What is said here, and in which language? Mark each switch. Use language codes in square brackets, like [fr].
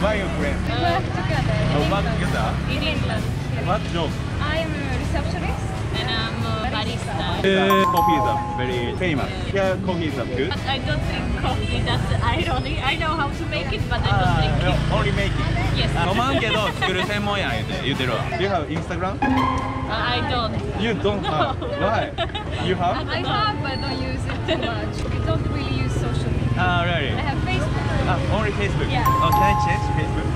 [en] Why are you friends? We work together. In England. What job? I'm a receptionist. And I'm a barista. Coffee is very famous. Yeah, coffee is good. But I don't drink coffee, that's irony. I know how to make it, but I don't drink it. Only make it? Yes. [ja] 飲まんけど作る専門やん言うてるわ。 [en] Do you have Instagram? I don't. You don't have? No. Why? You have? I have, but I don't use it too much. I don't really use social media. Ah, really? I have Facebook. Ah, only Facebook? Yeah. Oh, can I change Facebook?